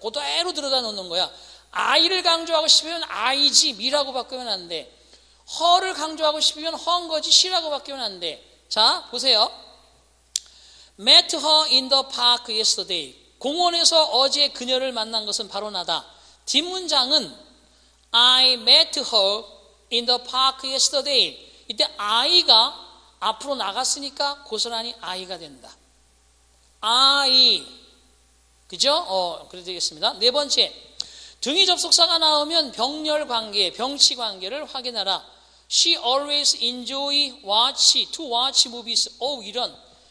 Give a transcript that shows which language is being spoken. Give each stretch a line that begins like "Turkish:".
Korean: 그대로 들어다 놓는 거야. I를 강조하고 싶으면 I지, 미라고 바꾸면 안 돼. Her를 강조하고 싶으면 her인 거지, she라고 바꾸면 안 돼. 자, 보세요.
English: Met her in the park yesterday.
Korean: 공원에서 어제 그녀를 만난 것은 바로 나다.
English: 뒷문장은 I met her in the park yesterday.
Korean: 이때 I가 앞으로 나갔으니까 고스란히 I가 된다. I. 그죠? 그래 되겠습니다. 네 번째. 등이 접속사가 나오면 병렬 관계, 병치 관계를 확인하라.
English: She always enjoy watch, to watch movies. 이런.